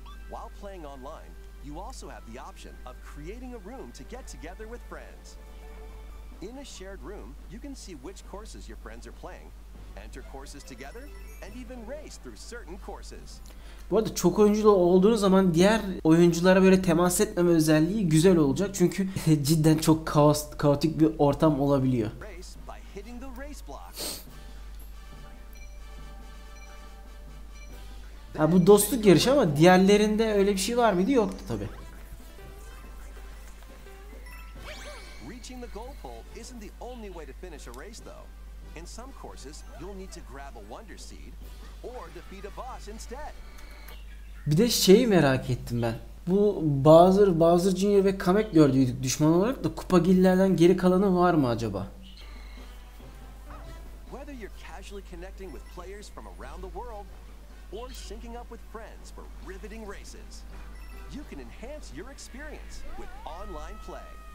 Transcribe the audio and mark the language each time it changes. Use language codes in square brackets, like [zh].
[en] While playing online, you also have the option of creating a room to get together with friends. In a shared room, you can see which courses your friends are playing, enter courses together, and even race through certain courses. [tr] Bu arada çok oyunculu olduğunuz zaman diğer oyunculara böyle temas etmeme özelliği güzel olacak. Çünkü cidden çok kaotik bir ortam olabiliyor. [en] Race by hitting the race block. [tr] Ha, bu dostluk yarışı ama diğerlerinde öyle bir şey var mıydı? Yoktu tabii. [en] Reaching the goal pole isn't the only way to finish a race, though. In some courses, you'll need to grab a wonder seed or defeat a boss instead. [tr] Bir de şeyi merak ettim ben. Bu Bowser Jr. ve Kamek gördüğü düşman olarak da Koopa Gillerden geri kalanı var mı acaba? [en] Whether you're casually connecting with players from around the world or syncing up with friends for riveting races, you can enhance your experience with online play.